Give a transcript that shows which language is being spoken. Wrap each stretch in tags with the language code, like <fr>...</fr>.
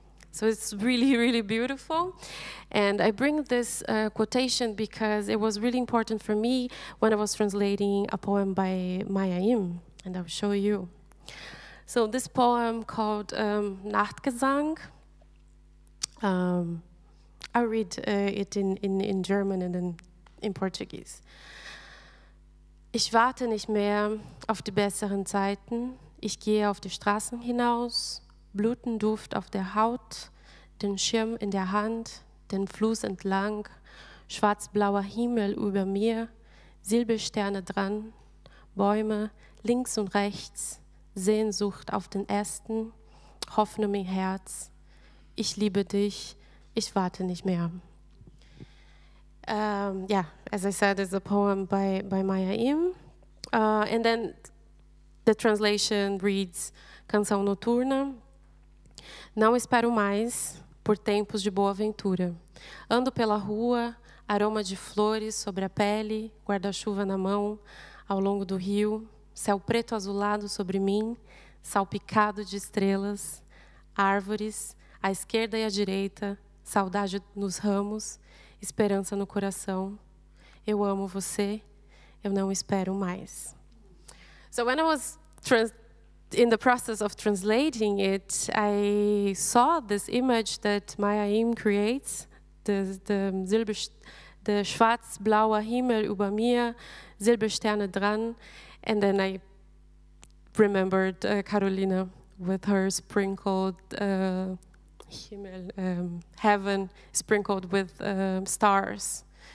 <en>So it's really, really beautiful. And I bring this quotation because it was really important for me when I was translating a poem by May Ayim, and I'll show you. So this poem called Nachtgesang, I'll read it in German and then in Portuguese.</en> <de>Ich warte nicht mehr auf die besseren Zeiten. Ich gehe auf die Straßen hinaus, Blütenduft auf der Haut, den Schirm in der Hand, den Fluss entlang, schwarz-blauer Himmel über mir, Silbersterne dran, Bäume links und rechts, Sehnsucht auf den Ästen, Hoffnung im Herz. Ich liebe dich, ich warte nicht mehr.</de> <en>As I said, it's a poem by May Ayim. And then The translation reads, Canção Noturna.</en> <pt>Não espero mais por tempos de boa ventura. Ando pela rua, aroma de flores sobre a pele, guarda-chuva na mão, ao longo do rio, céu preto azulado sobre mim, salpicado de estrelas, árvores, à esquerda e à direita, saudade nos ramos, esperança no coração. Eu amo você, eu não espero mais.</pt> <en>So when I was in the process of translating it, I saw this image that May Ayim creates, the</en> <de>schwarz-blauer Himmel über mir, Silbersterne dran,</de> <en>and then I remembered Carolina with her sprinkled Himmel, heaven sprinkled with stars.</en>